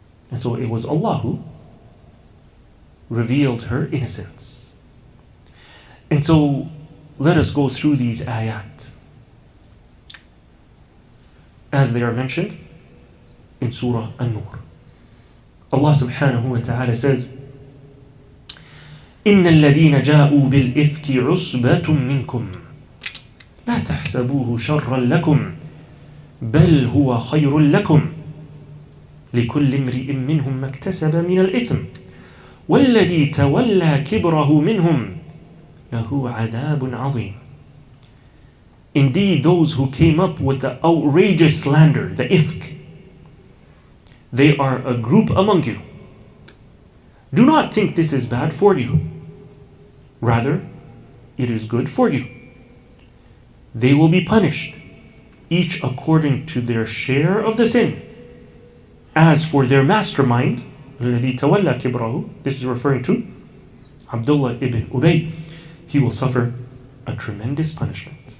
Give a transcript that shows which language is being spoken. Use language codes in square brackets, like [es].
[en] And so it was Allah who revealed her innocence. And so let us go through these ayat. As they are mentioned in Surah An-Nur. [ar] Allah subhanahu wa ta'ala says, إِنَّ الَّذِينَ جَاءُوا بِالْإِفْكِ عُصْبَةٌ مِّنْكُمْ لَا تَحْسَبُوهُ شَرًّا لَكُمْ بَلْ هُوَ خَيْرٌ لَكُمْ لِكُلِّ امْرِئٍ مِّنْهُمْ مَكْتَسَبَ مِنَ الْإِثْمِ وَالَّذِي تَوَلَّى كِبْرَهُ مِّنْهُمْ لَهُ عَذَابٌ عَظِيمٌ [en] Indeed, those who came up with the outrageous slander, the ifk, they are a group among you. Do not think this is bad for you. Rather, it is good for you. They will be punished, each according to their share of the sin. As for their mastermind, [ar] الَّذِي تَوَلَّى كِبْرَهُ, [en] this is referring to Abdullah ibn Ubay, he will suffer a tremendous punishment.